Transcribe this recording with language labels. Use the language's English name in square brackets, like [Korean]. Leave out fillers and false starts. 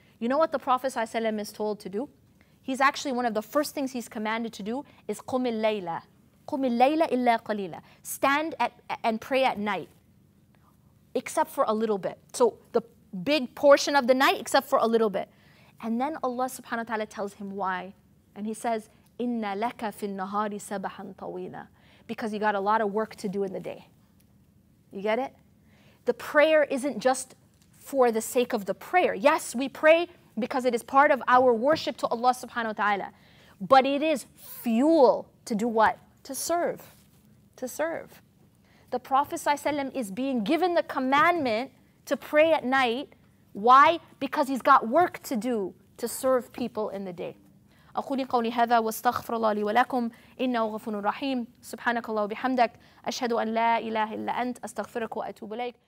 [English] You know what the Prophet ﷺ is told to do? He's actually, one of the first things he's commanded to do is [Arabic] قُمِ اللَّيْلَ قُمِ اللَّيْلَ إِلَّا قَلِيلًا. [English] Stand and pray at night, except for a little bit. So the big portion of the night, except for a little bit. And then Allah subhanahu wa ta'ala tells him why. And he says, [Arabic] إِنَّ لَكَ فِي النَّهَارِ سَبَحًا طَوِيلًا. [English] Because you got a lot of work to do in the day. You get it? The prayer isn't just for the sake of the prayer. Yes, we pray because it is part of our worship to Allah subhanahu wa ta'ala. But it is fuel to do what? To serve. The Prophet ﷺ is being given the commandment to pray at night. Why? Because he's got work to do to serve people in the day. [Arabic] أقولي قولي هذا واستغفر الله لي ولكم إنه غفور رحيم سبحانك الله وبحمدك أشهد أن لا إله إلا أنت أستغفرك وأتوب إليك